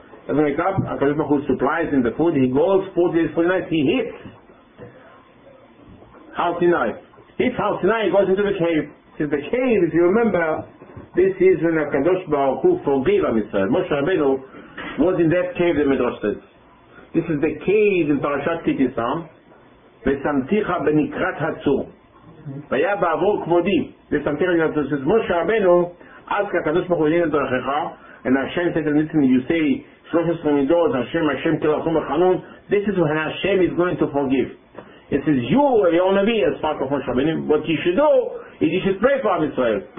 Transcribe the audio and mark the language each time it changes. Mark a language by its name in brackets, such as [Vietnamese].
[English] HaKadosh Baruch Hu supplies him the food. He goes 40 days, 40 nights. He hits Mount Sinai. Hits Mount Sinai, he goes into the cave. Says the cave, if you remember, this is when HaKadosh Baruch Hu forgave Am Yisrael. Moshe Rabbeinu was in that cave, the Midrash says. This is the cave in Parashat Ki Tisa. [Hebrew] ושמתיך בנקרת הצור. והיה בעבור כבודי, ושמתיך בנקרת הצור. [English] says, Moshe Rabbeinu, ask HaKadosh Baruch Hu in דרכך, and Hashem said to listen, you say, 13 מידות, Hashem, [Hebrew] כרחום וחנון, [English] this is when Hashem is going to forgive. It says, you, Eliyahu Navi, as part of Moshe Rabbeinu, what you should do, is you should pray for Israel.